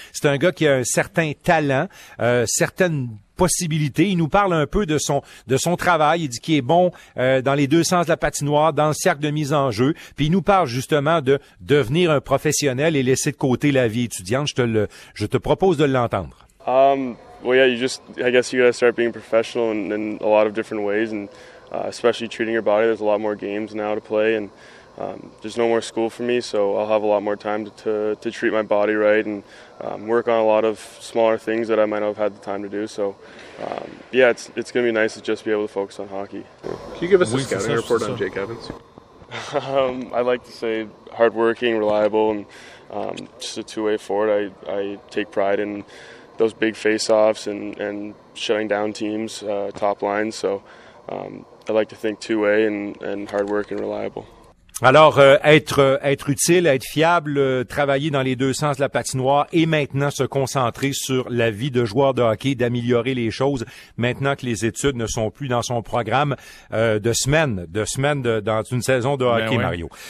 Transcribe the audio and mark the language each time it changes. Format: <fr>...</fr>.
<fr>C'est un gars qui a un certain talent, certaines possibilités. Il nous parle un peu de son travail. Il dit qu'il est bon dans les deux sens de la patinoire, dans le cercle de mise en jeu. Puis il nous parle justement de devenir un professionnel et laisser de côté la vie étudiante. Je te propose de l'entendre.</fr> <en>You gotta start being professional in a lot of different ways and especially treating your body. There's a lot more games now to play and there's no more school for me, so I'll have a lot more time to treat my body right and work on a lot of smaller things that I might not have had the time to do. So, it's going to be nice to just be able to focus on hockey. Can you give us a scouting report on Jake Evans? I like to say hardworking, reliable, and just a two-way forward. I take pride in those big face-offs and shutting down teams, top lines. So, I like to think two-way and hardworking, reliable.</en> <fr>Alors, être utile, être fiable, travailler dans les deux sens de la patinoire et maintenant se concentrer sur la vie de joueur de hockey, d'améliorer les choses maintenant que les études ne sont plus dans son programme de semaine, dans une saison de hockey, Mario.</fr>